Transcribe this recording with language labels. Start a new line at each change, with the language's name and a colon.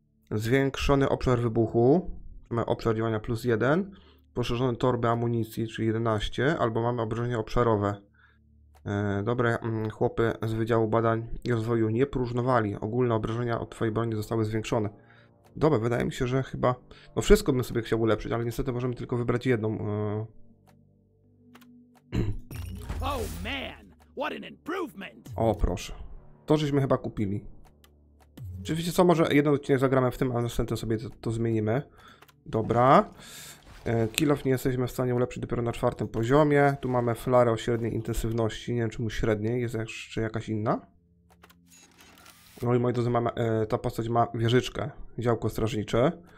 Polish: Zwiększony obszar wybuchu, obszar działania plus 1, poszerzone torby amunicji, czyli 11, albo mamy obrażenie obszarowe. Dobre, chłopy z Wydziału Badań i Rozwoju nie próżnowali. Ogólne obrażenia od twojej broni zostały zwiększone. Dobra, wydaje mi się, że chyba... No wszystko bym sobie chciał ulepszyć, ale niestety możemy tylko wybrać jedną.
English: Oh man, what an improvement!
Polish: O, proszę. To żeśmy chyba kupili. Oczywiście co, może jeden odcinek zagramy w tym, a następnie sobie to zmienimy. Dobra. Kill-off nie jesteśmy w stanie ulepszyć dopiero na czwartym poziomie. Tu mamy flarę o średniej intensywności. Nie wiem, czy mu średniej. Jest jeszcze jakaś inna. No i moi drodzy, ta postać ma wieżyczkę. Działko strażnicze.